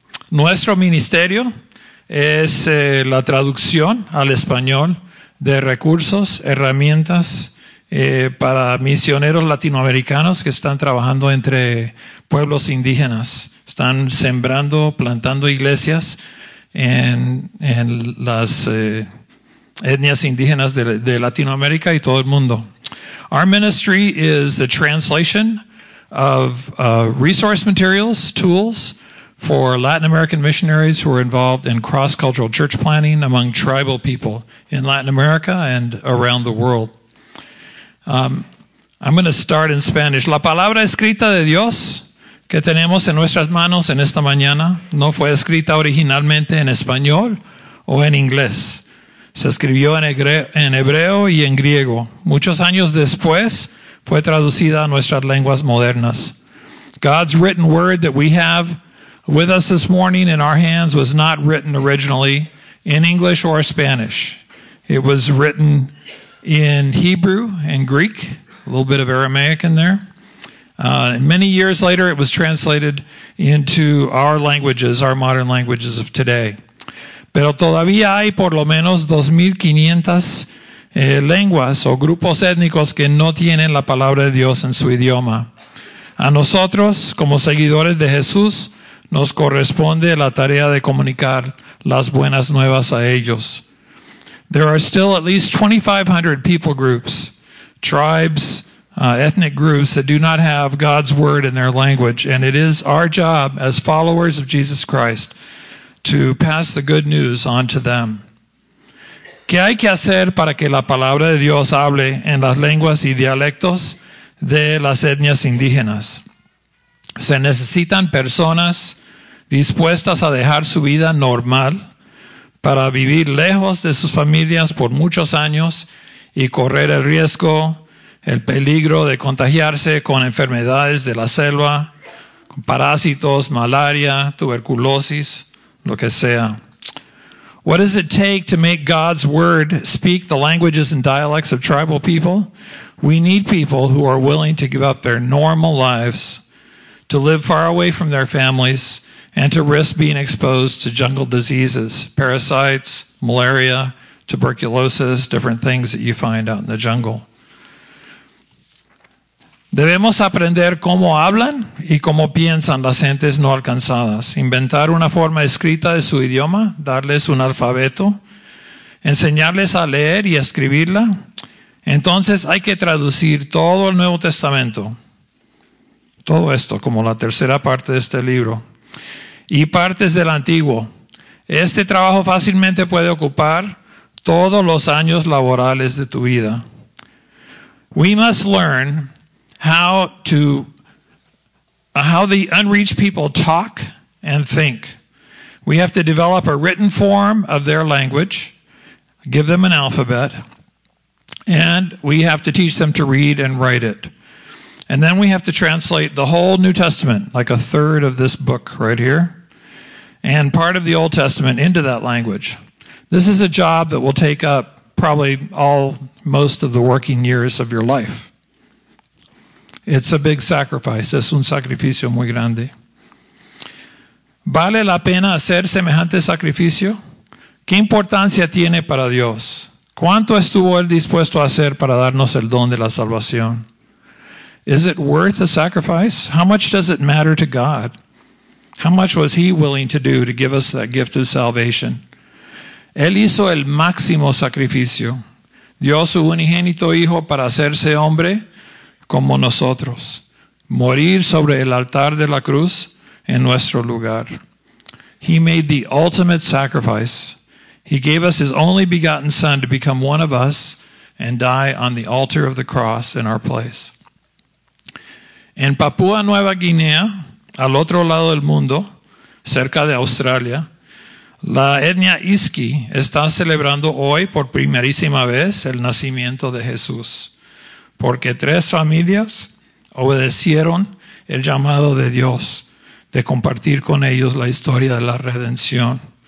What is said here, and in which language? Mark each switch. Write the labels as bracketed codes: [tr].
[es] Nuestro ministerio es la traducción al español de recursos, herramientas para misioneros latinoamericanos que están trabajando entre pueblos indígenas. Están sembrando, plantando iglesias en las etnias indígenas de Latinoamérica y todo el mundo. [en] Our ministry is the translation of resource materials, tools for Latin American missionaries who are involved in cross-cultural church planting among tribal people in Latin America and around the world. I'm going to start in Spanish. [es] La palabra escrita de Dios que tenemos en nuestras manos en esta mañana no fue escrita originalmente en español o en inglés. Se escribió en hebreo y en griego. Muchos años después fue traducida a nuestras lenguas modernas. [en] God's written word that we have with us this morning in our hands was not written originally in English or Spanish. It was written in Hebrew and Greek, a little bit of Aramaic in there. Many years later, it was translated into our languages, our modern languages of today. [es] Pero todavía hay por lo menos 2,500 lenguas o grupos étnicos que no tienen la palabra de Dios en su idioma. A nosotros, como seguidores de Jesús, nos corresponde la tarea de comunicar las buenas nuevas a ellos. [en] There are still at least 2,500 people groups, tribes, ethnic groups that do not have God's word in their language. And it is our job as followers of Jesus Christ to pass the good news on to them. [es] ¿Qué hay que hacer para que la palabra de Dios hable en las lenguas y dialectos de las etnias indígenas? Se necesitan personas dispuestas a dejar su vida normal para vivir lejos de sus familias por muchos años y correr el riesgo, el peligro de contagiarse con enfermedades de la selva, con parásitos, malaria, tuberculosis, lo que sea. [en] What does it take to make God's word speak the languages and dialects of tribal people We need people who are willing to give up their normal lives, to live far away from their families, and to risk being exposed to jungle diseases, parasites, malaria, tuberculosis, different things that you find out in the jungle. [es] Debemos aprender cómo hablan y cómo piensan las gentes no alcanzadas. Inventar una forma escrita de su idioma, darles un alfabeto, enseñarles a leer y a escribirla. Entonces hay que traducir todo el Nuevo Testamento. Todo esto, como la tercera parte de este libro. Y partes del Antiguo. Este trabajo fácilmente puede ocupar todos los años laborales de tu vida. [en] We must learn how the unreached people talk and think. We have to develop a written form of their language, give them an alphabet, and we have to teach them to read and write it. And then we have to translate the whole New Testament, like a third of this book right here, and part of the Old Testament into that language. This is a job that will take up probably most of the working years of your life. It's a big sacrifice. [es] Es un sacrificio muy grande. ¿Vale la pena hacer semejante sacrificio? ¿Qué importancia tiene para Dios? ¿Cuánto estuvo Él dispuesto a hacer para darnos el don de la salvación? [en] Is it worth a sacrifice? How much does it matter to God? How much was He willing to do to give us that gift of salvation? [es] Él hizo el máximo sacrificio. Dio su unigénito Hijo para hacerse hombre como nosotros. Morir sobre el altar de la cruz en nuestro lugar. [en] He made the ultimate sacrifice. He gave us His only begotten Son to become one of us and die on the altar of the cross in our place. [es] En Papúa Nueva Guinea, al otro lado del mundo, cerca de Australia, la etnia Isqui está celebrando hoy por primerísima vez el nacimiento de Jesús, porque tres familias obedecieron el llamado de Dios de compartir con ellos la historia de la redención.